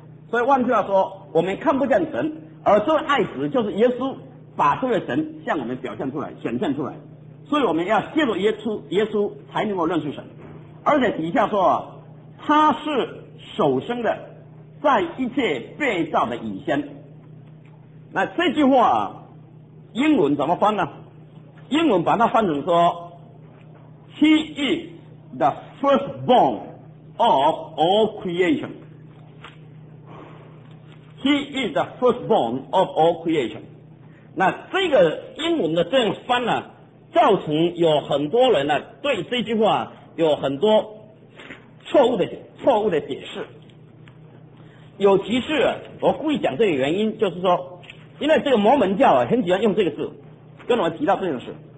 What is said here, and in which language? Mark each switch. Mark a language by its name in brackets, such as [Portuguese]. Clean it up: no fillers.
[Chinese] 所以换句话说，我们看不见神，而这位爱子就是耶稣，把这位神向我们表现出来、显现出来。所以我们要借助耶稣才能够认识神。而且底下说啊，他是首生的，在一切被造的以先。那这句话英文怎么翻呢？英文把它翻成说 [English] He is the firstborn of all creation. He is the firstborn of all creation. [Chinese] 那这个英文的这样翻呢，造成有很多人呢对这句话有很多错误的解释。有其是我故意讲这个原因，就是说因为这个摩门教很喜欢用这个字跟我们提到这件事。